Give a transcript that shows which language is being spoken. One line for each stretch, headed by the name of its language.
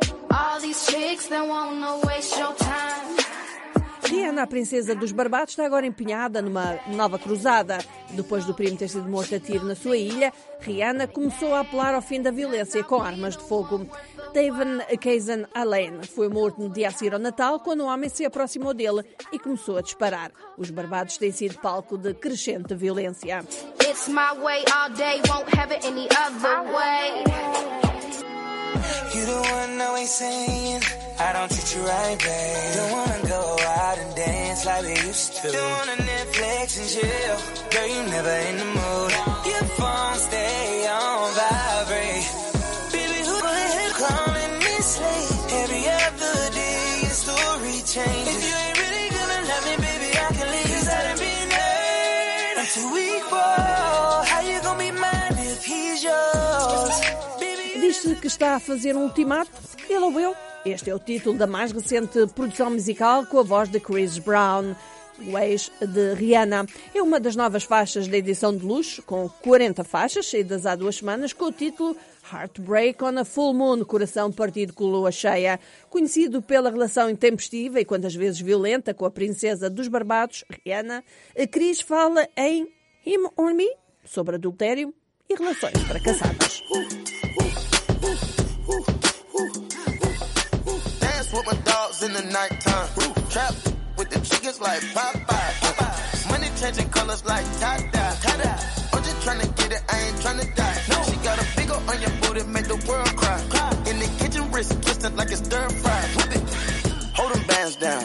English: All these chicks that won't know, waste your time.
Portuguese: Diana, a princesa dos Barbados, está agora empenhada numa nova cruzada. Depois do primo ter sido morto a tiro na sua ilha, Rihanna começou a apelar ao fim da violência com armas de fogo. Devin Kazan Allen foi morto no dia a seguir ao Natal, quando um homem se aproximou dele e começou a disparar. Os Barbados têm sido palco de crescente violência.
English: It's my way all day, won't have it any other way. You don't want no way saying, I don't treat you right, babe. Don't wanna go out and dance like we used to. Don't wanna Netflix and chill, girl, you never in the mood. Your phone stay on vibrate. Baby, who the hell calling me slave? Every other day your story changes. If you ain't really gonna love me, baby, I can leave. Cause I done been hurt, I'm too weak for. How you gonna be mine if he's yours?
Portuguese: Diz-se que está a fazer um ultimato, ele ouviu. Este é o título da mais recente produção musical com a voz de Chris Brown, o ex de Rihanna. É uma das novas faixas da edição de luxo, com 40 faixas, saídas há duas semanas, com o título Heartbreak on a Full Moon, coração partido com lua cheia. Conhecido pela relação intempestiva e quantas vezes violenta com a princesa dos Barbados, Rihanna, a Chris fala em Him or Me, sobre adultério e relações fracassadas.
English: With dogs in the nighttime, trap with the chickens like Popeye. Money changing colors like tie-dye. I'm just trying to get it, I ain't trying to die. No, she got a big ol' onion booty, make the world cry. In the kitchen, wrist twisting like it's stir fry. Whip it. Hold them bands down.